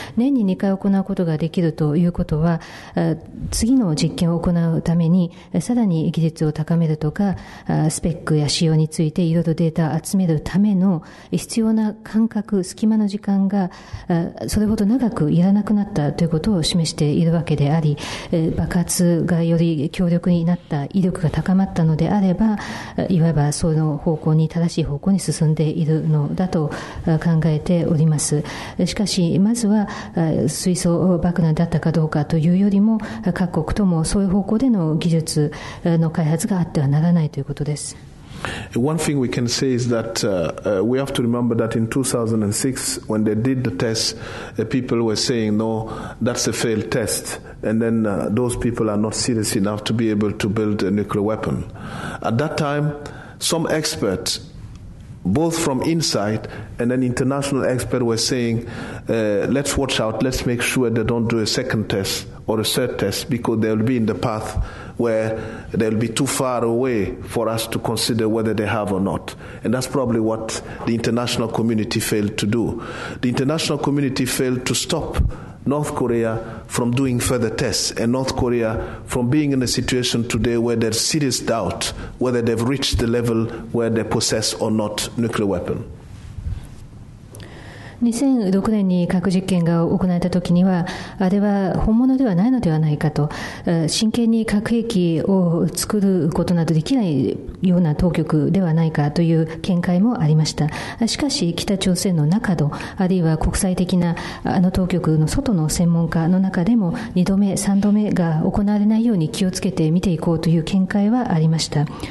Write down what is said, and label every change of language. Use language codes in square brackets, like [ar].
[ja] 年に2回行うことができるということは、次の実験を行うためにさらに技術を高めるとか、スペックや仕様についていろいろデータを集めるための必要な間隔、隙間の時間がそれほど長くいらなくなったということを示しているわけであり、爆発がより強力になった、威力が高まったのであれば、いわばその方向に正しい方向に進んでいるのだと考えております。しかしまずは水素爆弾だったかどうかというよりも、各国ともそういう方向での技術の開発があってはならないということです。 [en] One thing we can say is that we have to remember that in 2006 when they did the test, people were saying no, that's a failed test, and then those people are not serious enough to be able to build a nuclear weapon. At that timeSome experts, both from inside and an international expert, were saying, let's watch out, let's make sure they don't do a second test or a third test, because they'll be in the path where they'll be too far away for us to consider whether they have or not. And that's probably what the international community failed to do. The international community failed to stop North Korea from doing further tests, and North Korea from being in a situation today where there's serious doubt whether they've reached the level where they possess or not nuclear weapon. [ja] 2006年に核実験が行われたときには、あれは本物ではないのではないかと、真剣に核兵器を作ることなどできないような当局ではないかという見解もありました。しかし北朝鮮の中の、あるいは国際的なあの当局の外の専門家の中でも、2度目、3度目が行われないように気をつけて見ていこうという見解はありました。